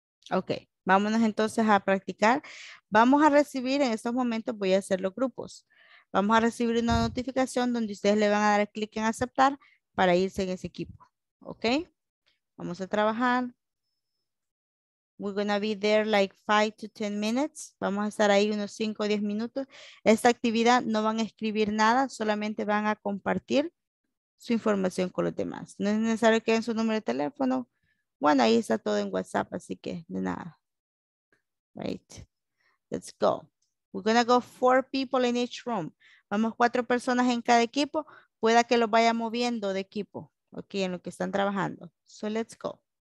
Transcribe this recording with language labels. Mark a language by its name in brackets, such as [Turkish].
[Spanish] Ok, vámonos entonces a practicar. Vamos a recibir, en estos momentos voy a hacer los grupos. Vamos a recibir una notificación donde ustedes le van a dar clic en aceptar para irse en ese equipo. Ok, vamos a trabajar. [English] We're going to be there like 5 to 10 minutes. [Spanish] Vamos a estar ahí unos 5 o 10 minutos. Esta actividad no van a escribir nada, solamente van a compartir su información con los demás. No es necesario que den su número de teléfono. Bueno, ahí está todo en WhatsApp, así que de nada. [English] Right. Let's go. We're going to go 4 people in each room. [Spanish] Vamos 4 personas en cada equipo. Pueda que los vaya moviendo de equipo, ok, en lo que están trabajando. [English] So let's go.